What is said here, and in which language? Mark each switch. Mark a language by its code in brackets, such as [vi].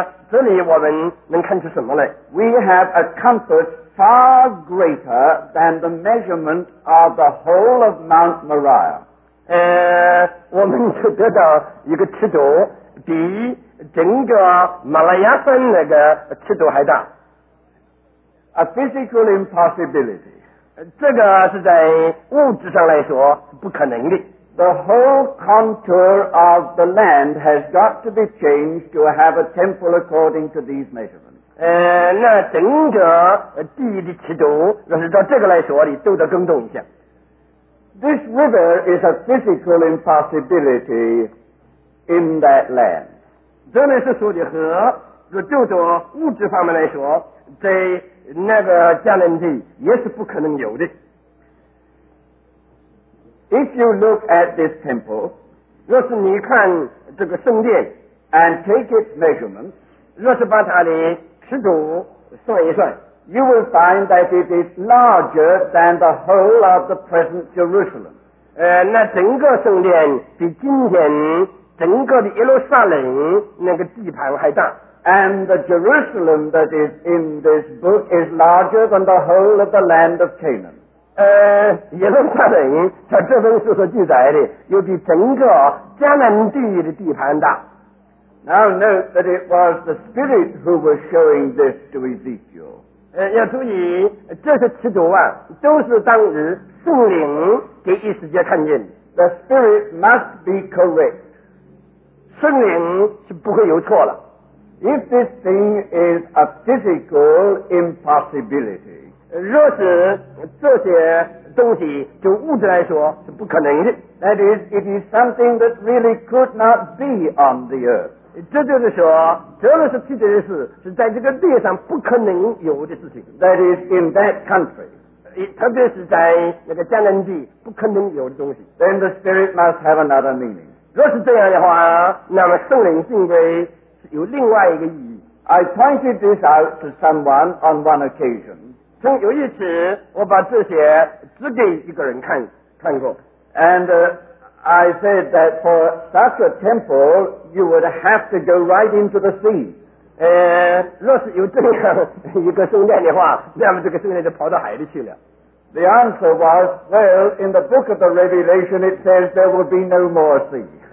[zh] 这里我们能看出什么来？ [en] We have a compass far greater than the measurement of the whole of Mount Moriah. [zh] 我们就得到一个尺度比整个马拉雅山那个尺度还大。 [en] A physical impossibility. [zh] 这个是在物质上来说不可能的。 [en] The whole contour of the land has got to be changed to have a temple according to these measurements. [zh] 那整个地的尺度，若是照这个来说的，都得更动一下。 [en] This river is a physical impossibility in that land. [zh] 这里是说的河，若就着物质方面来说，在那个迦南地也是不可能有的。 [en] If you look at this temple, [zh] 若是你看这个圣殿 [en] and take its measurements, [zh] 若是把它的尺度算一算 [en] you will find that it is larger than the whole of the present Jerusalem. [zh] 那整个圣殿比今天整个的耶路撒冷那个地盘还大。 [en] And the Jerusalem that is in this book is larger than the whole of the land of Canaan. [zh] 耶路撒冷在这本书所记载的又比整个迦南地的地盘大。 [en] Now note that it was the Spirit who was showing this to Ezekiel. [zh] 要注意这些尺度啊都是当日圣灵给以斯帖看见的。 [en] The Spirit must be correct. [zh] 圣灵是不会有错了。 [en] If this thing is a physical impossibility, [zh] 若是这些东西就物质来说是不可能的。 [en] That is, it is something that really could not be on the earth. [zh] 这就是说，这个是具体的事，是在这个地上不可能有的事情。 [en] That is, in that country. [zh] 特别是在那个迦南地不可能有的东西。 [en] Then the spirit must have another meaning. [zh] 若是这样的话，那么圣灵应该有另外一个意义。 [en] I pointed this out to someone on one occasion. [zh] 曾有一次我把这些指给一个人看过。 [en] And I said that for such a temple, you would have to go right into the sea. [zh] 若是有这样一个圣殿的话，那么这个圣殿就跑到海里去了。 [en] The answer was, well, in the book of the Revelation, it says there will be no more sea.